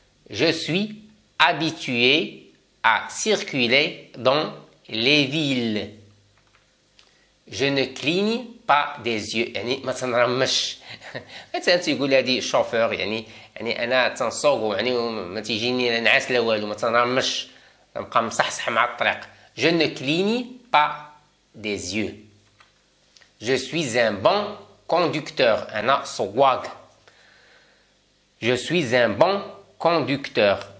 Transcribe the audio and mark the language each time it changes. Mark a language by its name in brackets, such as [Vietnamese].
[French] Je suis habitué à circuler dans les villes. Je ne cligne pas des yeux. [Arabic] يعني ما تنرمش. انت يقول هادي شوفور يعني انا تنصوق يعني ما تيجيني لا نعاس لا والو ما تنرمش نبقى مصحصح مع الطريق. [French] Je ne cligne pas des yeux. Je suis un bon conducteur. [Arabic] انا صواق. [French] Je suis un bon conducteur.